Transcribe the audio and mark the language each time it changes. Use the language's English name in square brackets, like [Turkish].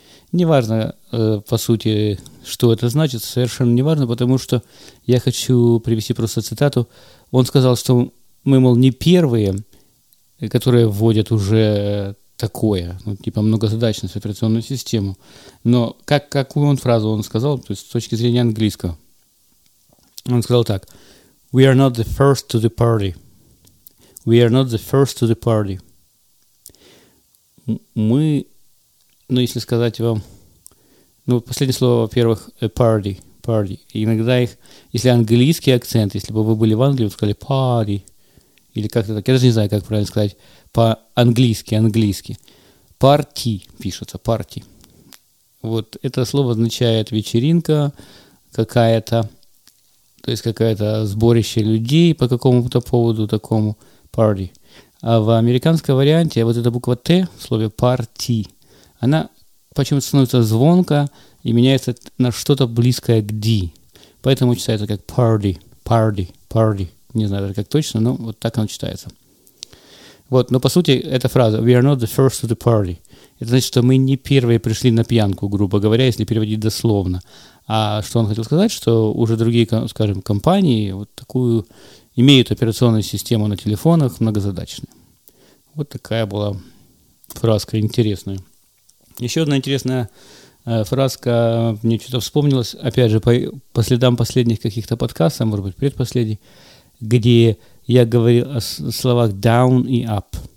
[Russian] Неважно, по сути, что это значит, совершенно неважно, потому что я хочу привести просто цитату. Он сказал, что мы, мол, не первые, которые вводят уже такое, ну, типа многозадачность, операционную систему. Но как, какую он фразу он сказал, то есть с точки зрения английского? Он сказал так: [English] We are not the first to the party. We are not the first to the party. [Russian] Мы, ну, если сказать вам, ну, последнее слово, во-первых, party, party. Иногда их, если английский акцент, если бы вы были в Англии, вы сказали party, или как-то так, я даже не знаю, как правильно сказать, по-английски, английски. Party пишется, party. Вот это слово означает вечеринка какая-то, то есть какое-то сборище людей по какому-то поводу такому, party. А в американском варианте вот эта буква «Т» в слове «party», она почему-то становится звонко и меняется на что-то близкое к «ди». Поэтому читается как «party», «party», «party». Не знаю, как точно, но вот так оно читается. Вот, но по сути эта фраза [English] «We are not the first to the party». [Russian] Это значит, что мы не первые пришли на пьянку, грубо говоря, если переводить дословно. А что он хотел сказать, что уже другие, скажем, компании вот такую имеют операционную систему на телефонах многозадачную. Вот такая была фразка интересная. Еще одна интересная фразка, мне что-то вспомнилось, опять же, по следам последних каких-то подкастов, может быть, предпоследний, где я говорил о словах down и up.